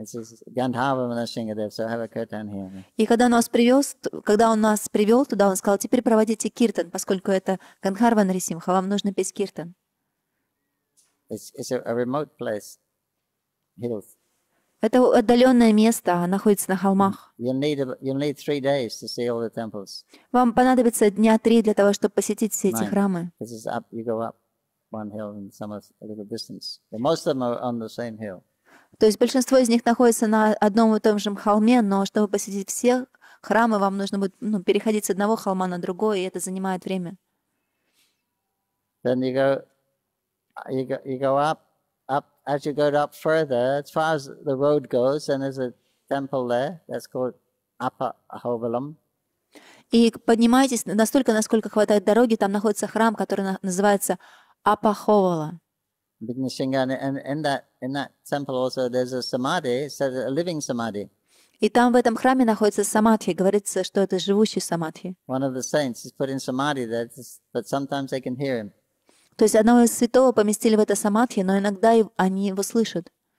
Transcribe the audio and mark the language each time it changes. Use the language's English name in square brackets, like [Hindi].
[English] It says Gandharva Nrisimha there, so have a kirtan here. [Russian] И когда он нас привел туда, он сказал, теперь проводите киртан, поскольку это Гандхарва Нрисимха, вам нужно петь киртан. [English] It's a remote place. Hills. [Russian] Это отдаленное место, находится на холмах. [English] You'll need 3 days to see all the temples. [Russian] Вам понадобится 3 дня для того, чтобы посетить все эти храмы. [English] This is up, you go up one hill and some are a little distance. But most of them are on the same hill. [Russian] То есть большинство из них находится на одном и том же холме, но чтобы посетить все храмы, вам нужно будет переходить с одного холма на другой, и это занимает время. [English] Then you go up. Up as you go up further, as far as the road goes, and there's a temple there that's called Upper Ahovalam. [Russian] И поднимайтесь настолько, насколько хватает дороги, там находится храм, который называется Upper Ahovala. [English] In that temple also there's a samadhi, so a living samadhi. [Russian] И там в этом храме находится самадхи, говорится, что это живущий самадхи. [English] One of the saints is put in samadhi there, but sometimes they can hear him. [Russian] То есть одного из святого поместили в это самадхи, но иногда они его слышат.